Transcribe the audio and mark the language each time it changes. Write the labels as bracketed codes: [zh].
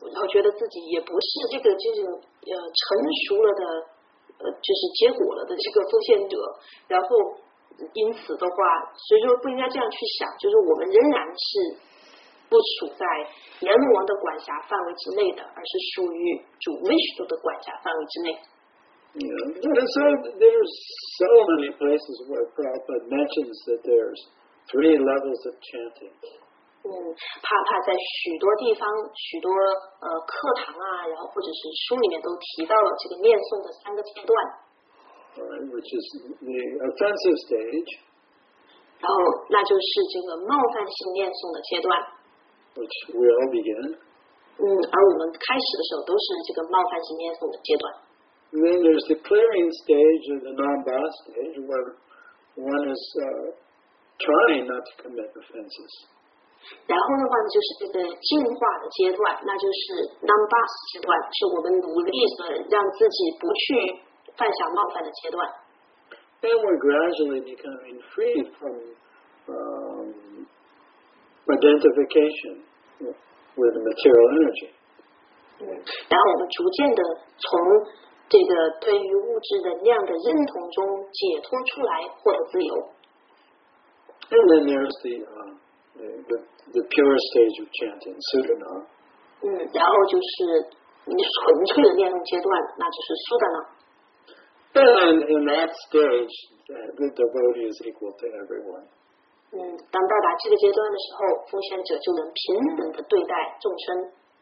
[zh] 觉得自己也不是这个就是成熟了的就是结果了的这个奉献者，然后因此的话，所以说不应该这样去想，就是我们仍然是不处在阎罗王的管辖范围之内的，而是属于主维须多的管辖范围之内。 [en] Yeah, so there's so many places where Prabhupada mentions that there's three levels of chanting. [zh] 帕帕在许多地方、许多课堂啊，然后或者是书里面都提到了这个念诵的三个阶段。 [en] Which is the offensive stage. [zh] 然后那就是这个冒犯性念诵的阶段。 [en] Which we all begin. [zh] 而我们开始的时候都是这个冒犯性念诵的阶段。 [en] And then there's the clearing stage and the non-bad stage where one is trying not to commit offenses. [zh] 然后的话呢，就是这个进化的阶段，那就是 Nambas 阶段，是我们努力的让自己不去犯下冒犯的阶段。 [en] Then we're gradually becoming free from identification with the material energy. [zh] 然后我们逐渐的从这个对于物质能量的认同中解脱出来，获得自由。 [en] And then there's the pure stage of chanting, sudana. [zh] 然后就是纯粹的念诵阶段，那就是 sudana。 [en] And in that stage, the devotee is equal to everyone. [zh] 当到达这个阶段的时候，奉献者就能平等的对待众生。